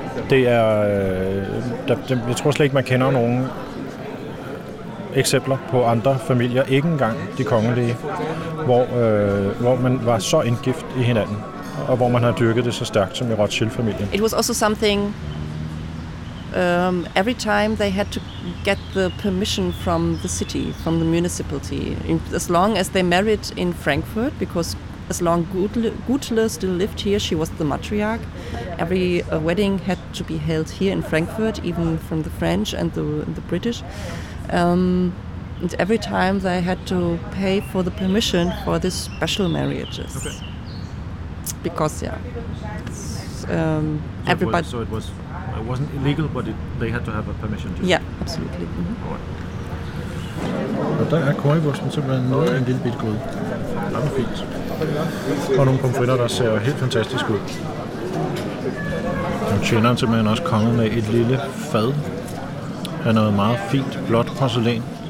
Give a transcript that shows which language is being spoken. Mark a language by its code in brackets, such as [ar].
[da] Det er, jeg tror slet ikke, man kender nogen eksempler på andre familier, ikke engang de kongelige, hvor man var så indgift i hinanden, og hvor man har dyrket det så stærkt som i Rothschild-familien. [en] It was also something, every time they had to get the permission from the city, from the municipality, as long as they married in Frankfurt, because as long Gudle still lived here, she was the matriarch. Every wedding had to be held here in Frankfurt, even from the French and the British. And every time they had to pay for the permission for this special marriages. Okay. Because, yeah. Everybody. So it wasn't illegal, but they had to have a permission to. Yeah, absolutely. Mm-hmm. [da] Og der er currywursten simpelthen noget af en lille bit god. Det er fint. Og nogle pomfritter, der ser helt fantastisk ud. Nu tjener han simpelthen også kongen med et lille fad. Han har meget fint blåt porcelæn.